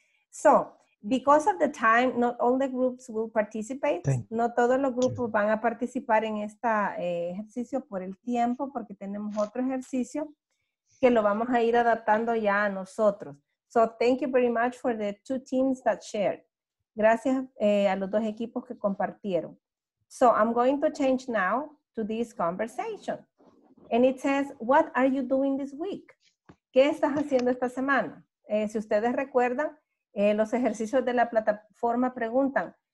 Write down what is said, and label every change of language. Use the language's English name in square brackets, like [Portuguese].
[English] So, because of the time, not all the groups will participate. [Spanish] No todos los grupos van a participar en este ejercicio por el tiempo, porque tenemos otro ejercicio que lo vamos a ir adaptando ya a nosotros. [English] So, thank you very much for the two teams that shared. [Spanish] Gracias a los dos equipos que compartieron. [English] So I'm going to change now to this conversation. And it says, what are you doing this week? [Spanish] ¿Qué estás haciendo esta semana? Si ustedes recuerdan, los ejercicios de la plataforma preguntan,